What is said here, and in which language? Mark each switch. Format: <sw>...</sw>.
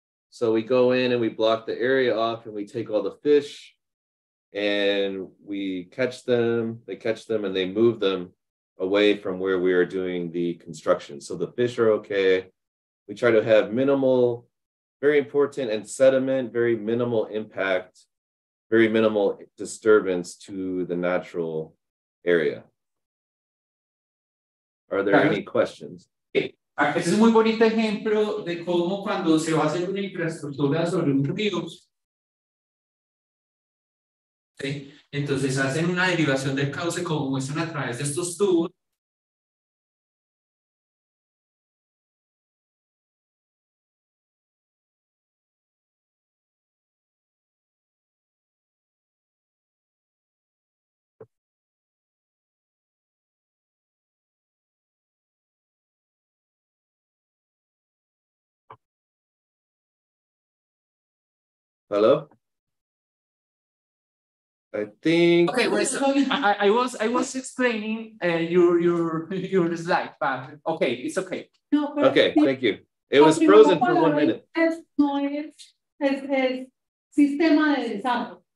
<en>So we go in and we block the area off and we take all the fish and we catch them, they catch them and they move them away from where we are doing the construction. So the fish are okay. We try to have minimal, very important, and sediment, very minimal impact, very minimal disturbance to the natural area. Are there any questions?</en> <es>Este es un muy bonito ejemplo de cómo cuando se va a hacer una infraestructura sobre un río. ¿Sí? Entonces hacen una derivación del cauce como muestran a través de estos tubos.</es> <en>Hello. I think. Okay, well, I was explaining your slide, but okay, it's okay. No, okay, thank you. It was frozen for 1 minute. Es no es es es sistema de desarrollo.</en>